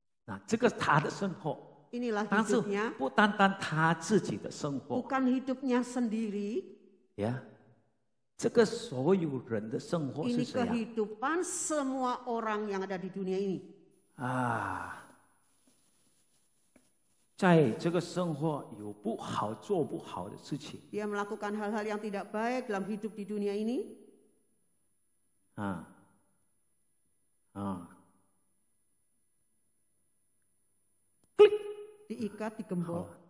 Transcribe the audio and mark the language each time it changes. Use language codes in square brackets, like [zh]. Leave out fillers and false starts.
[zh] Nah, 这个他的生活, [id] inilah hidupnya. [zh] ]不单单他自己的生活, [id] bukan hidupnya sendiri. [zh] Ya. 这个所有人的生活 [id] ini kehidupan semua orang yang ada di dunia ini. Ah. [zh] 在这个生活有不好做不好的事情. [id] Dia melakukan hal-hal yang tidak baik dalam hidup di dunia ini. Ah. Ah. Diikat, digembok.